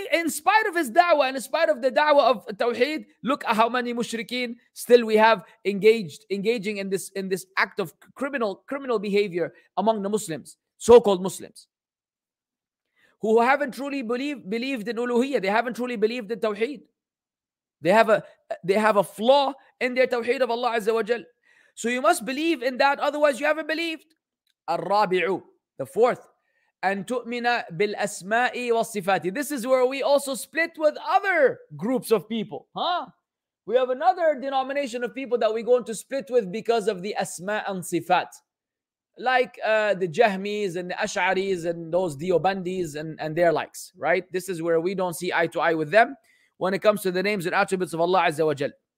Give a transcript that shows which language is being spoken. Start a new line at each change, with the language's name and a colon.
English: In spite of his da'wah, in spite of the da'wah of Tawheed, look at how many mushrikeen still we have engaging in this act of criminal behavior among the Muslims, so-called Muslims, who haven't truly believed in uluhiyya. They haven't truly believed in Tawheed. They have a flaw in their Tawheed of Allah Azza wa Jal. So you must believe in that, otherwise you haven't believed.
Arabic: الرابع,
English: the fourth,
Arabic: أن تؤمن بالأسماء والصفات.
English: This is where we also split with other groups of people. Huh? We have another denomination of people that we're going to split with because of the أسماء and صفات. Like the Jahmis and the Ash'aris and those Diobandis and their likes, right? This is where we don't see eye to eye with them when it comes to the names and attributes of Allah Azza wa Jal.